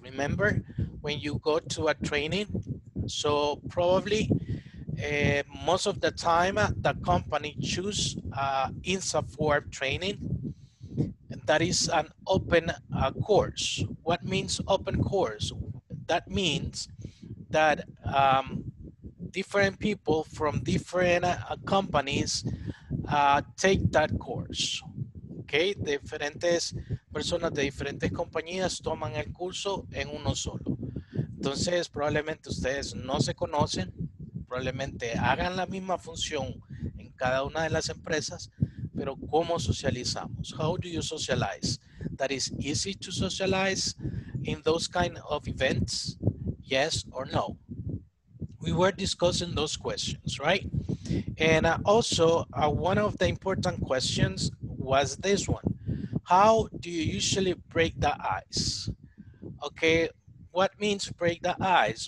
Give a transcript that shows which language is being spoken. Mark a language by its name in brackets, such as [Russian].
[English] Remember, when you go to a training, so probably most of the time the company choose INSAFORP training. That is an open course. What means open course? That means that different people from different companies take that course. [Spanish] Okay, diferentes personas de diferentes compañías toman el curso en uno solo. Entonces, probablemente ustedes no se conocen, probablemente hagan la misma función en cada una de las empresas, pero ¿cómo socializamos? [English] How do you socialize? That is easy to socialize in those kind of events, yes or no? We were discussing those questions, right? And also, one of the important questions was this one. How do you usually break the ice? Okay, what means break the ice?